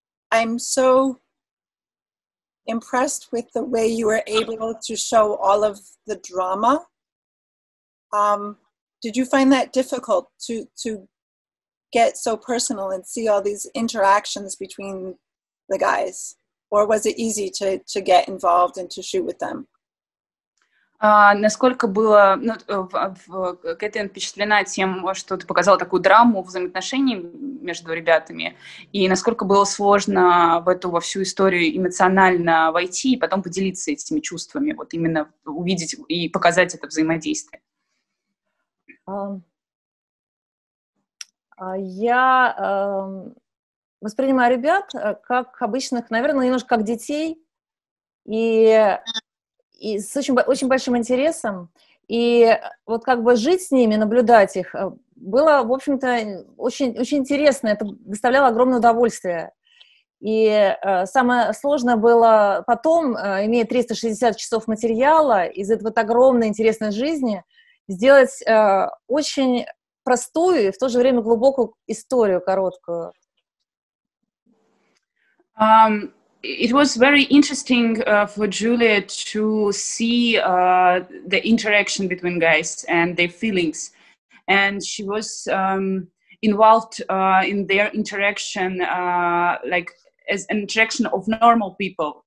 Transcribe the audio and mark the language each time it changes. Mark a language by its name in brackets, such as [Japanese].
[English] I'm so impressed with the way you were able to show all of the drama. Did you find that difficult to get so personal and see all these interactions between the guys? Or was it easy to get involved and to shoot with them? [Russian] Насколько было, ну, Кэтрин впечатлена тем, что ты показала такую драму взаимоотношений между ребятами, и насколько было сложно в эту во всю историю эмоционально войти и потом поделиться этими чувствами, вот именно увидеть и показать это взаимодействие? Я воспринимаю ребят как обычных, наверное, немножко как детей, и с очень, очень большим интересом, и вот как бы жить с ними, наблюдать их, было, в общем-то, очень, очень интересно, это доставляло огромное удовольствие. И самое сложное было потом, имея 360 часов материала из этой вот огромной интересной жизни, сделать очень простую и в то же время глубокую историю короткую. [English] It was very interesting for Julia to see the interaction between guys and their feelings. And she was involved in their interaction like as an interaction of normal people.